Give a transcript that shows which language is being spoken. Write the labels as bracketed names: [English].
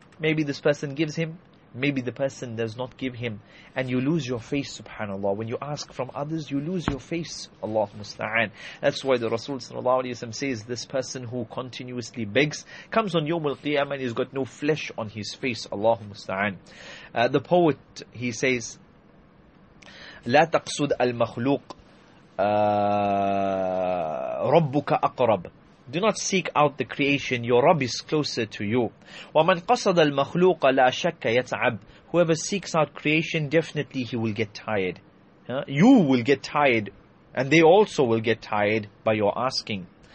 [English] Maybe this person gives him, maybe the person does not give him. And you lose your face, subhanAllah. When you ask from others, you lose your face. Allah musta'an. That's why the Rasul sallallahu alayhi wa sallam says, this person who continuously begs comes on Yawm al-Qiyamah and he's got no flesh on his face. Allah musta'an. The poet, he says, [Arabic] لا تقصد المخلوق ربك أقرب. [English] Do not seek out the creation, your Rabb is closer to you. [Arabic] وَمَنْ قَصَدَ الْمَخْلُوقَ لَا شَكَّ يَتْعَبْ. [English] Whoever seeks out creation, definitely he will get tired. You will get tired, and they also will get tired by your asking.